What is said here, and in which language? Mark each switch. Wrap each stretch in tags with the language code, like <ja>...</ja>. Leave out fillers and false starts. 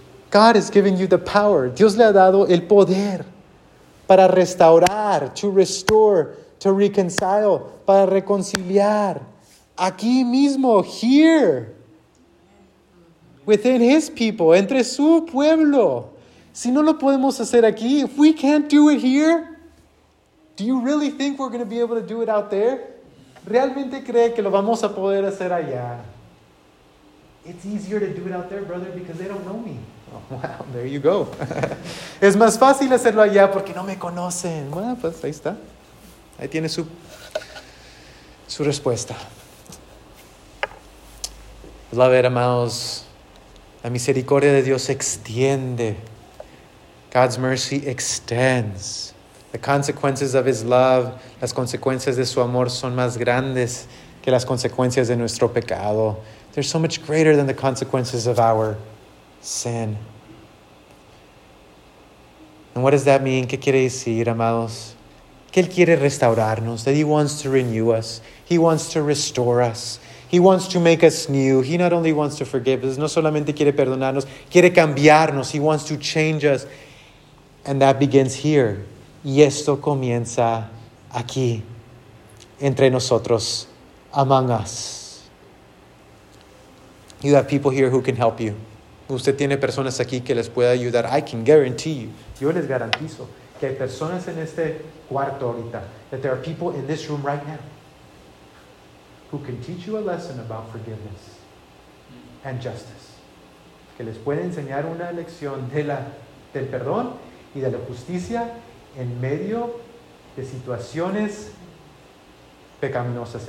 <en>God has given you the power.</en> <es>Dios le ha dado el poder para restaurar,</es> <en>to restore, to reconcile,</en> <es>para reconciliar. Aquí mismo,</es> <en>here. Within his people,</en> <es>entre su pueblo. Si no lo podemos hacer aquí,</es> <en>if we can't do it here, do you really think we're going to be able to do it out there?</en> <es>¿Realmente cree que lo vamos a poder hacer allá?</es> <en>It's easier to do it out there, brother, because they don't know me. Oh, wow, there you go.</en> <es>Es más fácil hacerlo allá porque no me conocen. Bueno, pues ahí está. Ahí tiene su respuesta. La ver, amados, la misericordia de Dios extiende.</es> <en>God's mercy extends. The consequences of his love,</en> <es>las consecuencias de su amor son más grandes que las consecuencias de nuestro pecado.</es> <en>They're so much greater than the consequences of our sin. And what does that mean?</en> <es>¿Qué quiere decir, amados? Que Él quiere restaurarnos.</es> <en>That He wants to renew us. He wants to restore us. He wants to make us new. He not only wants to forgive us.</en> <es>No solamente quiere perdonarnos. Quiere cambiarnos.</es> <en>He wants to change us. And that begins here.</en> <es>Y esto comienza aquí. Entre nosotros.</es> <en>Among us. You have people here who can help you.</en> <es>Usted tiene personas aquí que les pueda ayudar.</es> <en>I can guarantee you.</en> <es>Yo les garantizo que hay personas en este cuarto ahorita.</es> <en>That there are people in this room right now who can teach you a lesson about forgiveness and justice.</en> <es>Que les puede enseñar una lección de del perdón y de la justicia en medio de situaciones pecaminosas.</es>